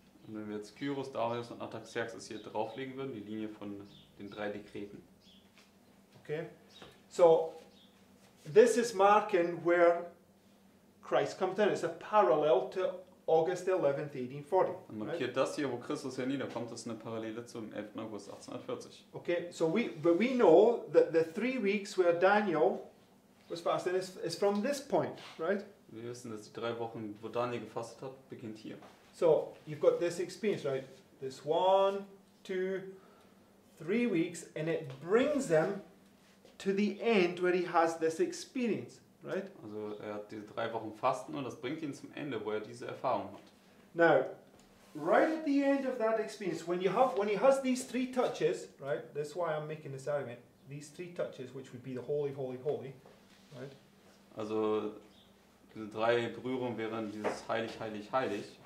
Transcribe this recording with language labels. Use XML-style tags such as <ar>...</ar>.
<de>Und wenn wir jetzt Kyros, Darius und Artaxerxes hier drauflegen würden, die Linie von den 3 Dekreten.</de> <en>Okay, so this is marking where Christ comes in. It's a parallel to August 11, 1840.</en> <de>Und markiert,</de> <en>right?</en> <de>Das hier, wo Christus herniederkommt, ist eine Parallele zum 11. August 1840.</de> <en>Okay, so we know that the 3 weeks where Daniel was fasting is from this point, right?</en> <de>Wir wissen, dass die 3 Wochen, wo Daniel gefastet hat, beginnt hier.</de> <en>So, you've got this experience, right? This 1, 2, 3 weeks, and it brings them to the end where he has this experience. Right?</en> <de>Also er hat diese 3 Wochen Fasten und das bringt ihn zum Ende, wo er diese Erfahrung hat.</de> <en>Now, right at the end of that experience, when he has these 3 touches, right? That's why I'm making this argument. These 3 touches, which would be the holy, holy, holy, right?</en> <de>Also diese 3 Berührungen wären dieses heilig, heilig, heilig.</de>